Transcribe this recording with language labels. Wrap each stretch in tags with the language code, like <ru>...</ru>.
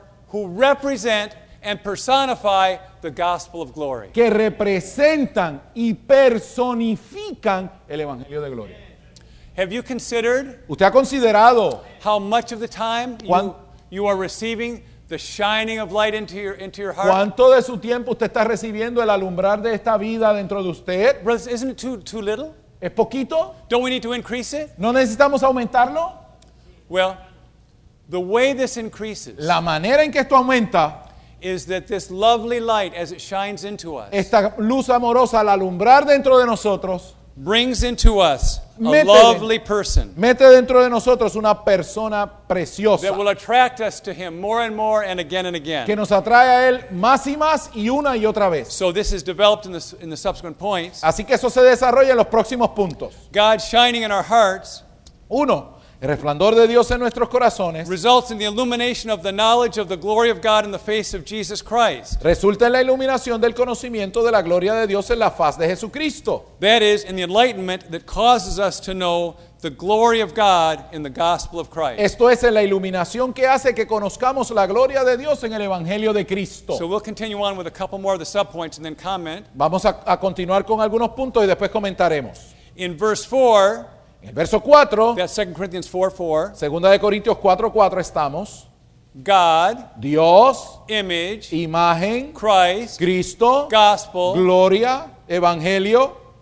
<en>Who represent and personify the gospel of glory.</en> <es>Que representan y personifican el evangelio de gloria.</es> <en>Have you considered?</en> <es>¿Usted ha considerado?</es> <en>How much of the time you are receiving the shining of light into your heart?</en> <es>¿Cuánto de su tiempo usted está recibiendo el alumbrar de esta vida dentro de usted?</es> <en>Brothers, isn't it too little?</en> <es>¿Es poquito?</es> <en>Don't we need to increase it?</en> <es>¿No necesitamos aumentarlo?</es> <en>Well, the way this increases.</en> <es>La manera en que esto aumenta.</es> <en>Is that this lovely light as it shines into us?</en> <es>Esta luz amorosa al alumbrar dentro de nosotros</es> <en>brings into us a lovely person.</en> <es>Mete dentro de nosotros una persona preciosa</es> <en>that will attract us to him more and more and again and again.</en> <es>Que nos atrae a él más y más y una y otra vez.</es> <en>So this is developed in the subsequent points.</en> <es>Así que eso se desarrolla en los próximos puntos.</es> <en>God shining in our hearts.</en> <es>Uno. El resplandor de Dios en nuestros corazones</es> <en>results in the illumination of the knowledge of the glory of God in the face of Jesus Christ.</en> <es>Resulta en la iluminación del conocimiento de la gloria de Dios en la faz de Jesucristo.</es> <en>That is in the enlightenment that causes us to know the glory of God in the gospel of Christ.</en> <es>Esto es en la iluminación que hace que conozcamos la gloria de Dios en el evangelio de Cristo.</es> <en>So we'll continue on with a couple more of the subpoints and then comment.</en> <es>Vamos a continuar con algunos puntos y después comentaremos.</es> <en>In verse 4,</en> <es>en el verso 4,</es> <en>that's 2 Corinthians 4:4.</en> <es>Segunda de Corintios 4:4 estamos.</es> <en>God,</en> <es>Dios,</es> <en>image,</en> <es>imagen,</es> <en>Christ,</en> <es>Cristo,</es> <en>gospel,</en> <es>gloria, evangelio,</es>